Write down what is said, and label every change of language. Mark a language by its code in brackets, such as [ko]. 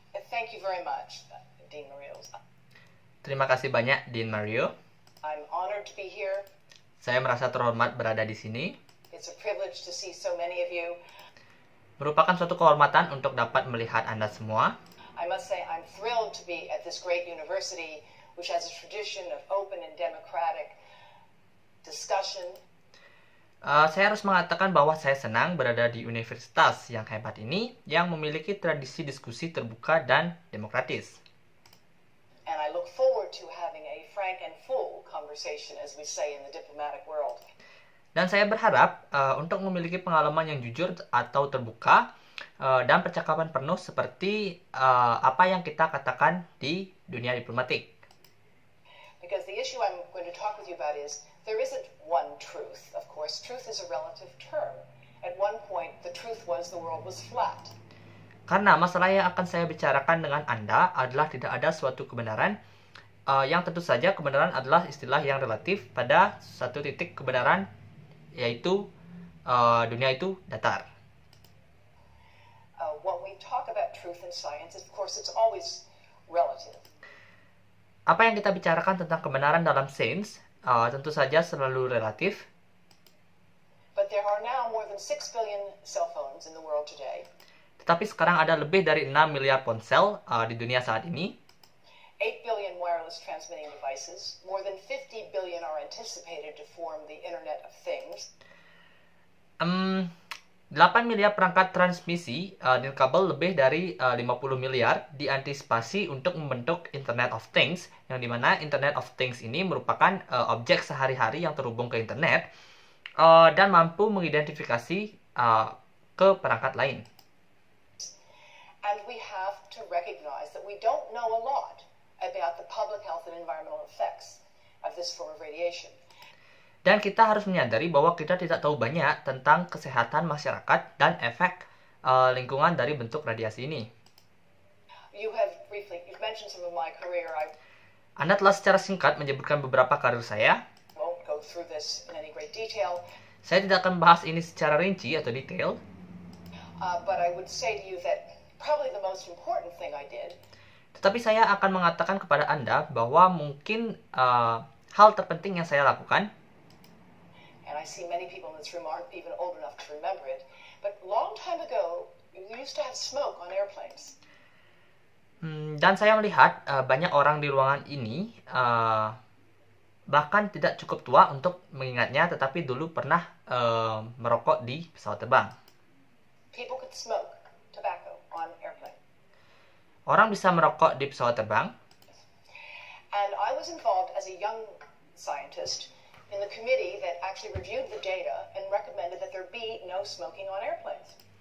[en] Thank you very much, Dean Mario. [id] Terima kasih banyak, Dean Mario. [en] I'm honored to be here. [id] Saya merasa terhormat berada di sini. [en] It's a privilege to see so many of you. [id] Merupakan suatu kehormatan untuk dapat melihat Anda semua. [en] I must say I'm thrilled to be at this great university, which has a tradition of open and democratic discussion. [id] Saya harus mengatakan bahwa saya senang berada di universitas yang hebat ini yang memiliki tradisi diskusi terbuka dan demokratis. [en] And I look forward to having a frank and full conversation, as we say in the diplomatic world. [id] Dan saya berharap untuk memiliki pengalaman yang jujur atau terbuka dan percakapan penuh seperti apa yang kita katakan di dunia diplomatik. [en] Because the issue I'm going to talk with you about is there isn't one truth. Of course, truth is a relative term. At one point, the truth was the world was flat. [id] Karena masalah yang akan saya bicarakan dengan Anda adalah tidak ada suatu kebenaran. Yang tentu saja kebenaran adalah istilah yang relatif pada satu titik kebenaran, yaitu dunia itu datar. [en] When we talk about truth in science, of course, it's always relative. [id] Apa yang kita bicarakan tentang kebenaran dalam sains, tentu saja selalu relatif. [en] But there are now more than 6 billion cell phones in the world today. [id] Tetapi sekarang ada lebih dari 6 miliar ponsel di dunia saat ini. [en] 8 billion wireless transmitting devices, more than 50 billion are anticipated to form the Internet of Things. [id] 8 miliar perangkat transmisi nirkabel, lebih dari 50 miliar diantisipasi untuk membentuk Internet of Things, yang dimana Internet of Things ini merupakan objek sehari-hari yang terhubung ke internet dan mampu mengidentifikasi ke perangkat lain. [en] And we have to recognize that we don't know a lot about the public health and environmental effects of this form of radiation. [id] Dan kita harus menyadari bahwa kita tidak tahu banyak tentang kesehatan masyarakat dan efek lingkungan dari bentuk radiasi ini. [en] You have briefly, you've mentioned some of my career. [id] Anda telah secara singkat menyebutkan beberapa karir saya. [en] Won't go through this in any great detail. [id] Saya tidak akan bahas ini secara rinci atau detail. [en] But I would say to you that probably the most important thing I did. [id] Tetapi saya akan mengatakan kepada Anda bahwa mungkin hal terpenting yang saya lakukan. [en] And I see many people in this room aren't even old enough to remember it. But long time ago, you used to have smoke on airplanes. [id] Dan saya melihat banyak orang di ruangan ini bahkan tidak cukup tua untuk mengingatnya, tetapi dulu pernah merokok di pesawat terbang. [en] People could smoke tobacco on airplanes. [id] Orang bisa merokok di pesawat terbang. [en] And I was involved as a young scientist in the committee that actually reviewed the data and recommended that there be no smoking on airplanes.